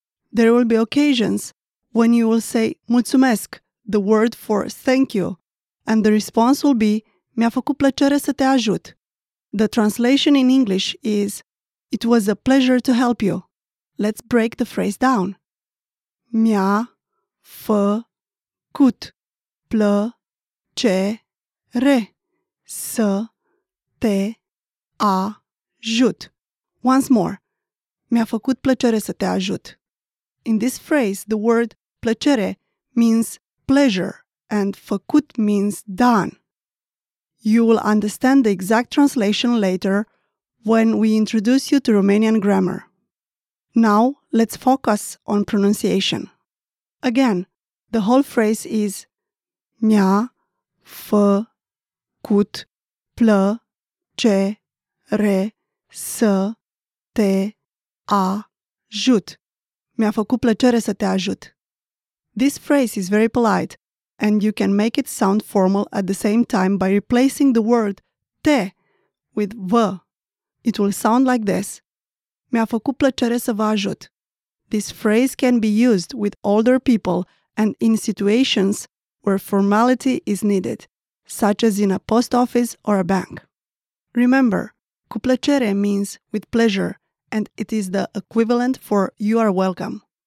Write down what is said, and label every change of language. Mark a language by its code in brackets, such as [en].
[en] There will be occasions when you will say mulțumesc, the word for thank you, and the response will be [ro] mi-a făcut plăcere să te ajut. [en] The translation in English is it was a pleasure to help you. Let's break the phrase down. [ro] Mi-a făcut plăcere să te ajut. [en] Once more. [ro] Mi-a făcut plăcere să te ajut. [en] In this phrase, the word plăcere means pleasure and făcut means done. You will understand the exact translation later when we introduce you to Romanian grammar. Now, let's focus on pronunciation. Again, the whole phrase is [ro] mi-a făcut plăcere să te ajut. Mi-a făcut plăcere să te ajut. [en] This phrase is very polite, and you can make it sound formal at the same time by replacing the word te with vă. It will sound like this. [ro] Mi-a făcut plăcere să vă ajut. [en] This phrase can be used with older people and in situations where formality is needed, such as in a post office or a bank. Remember, [ro] cu plăcere [en] means with pleasure, and it is the equivalent for you are welcome.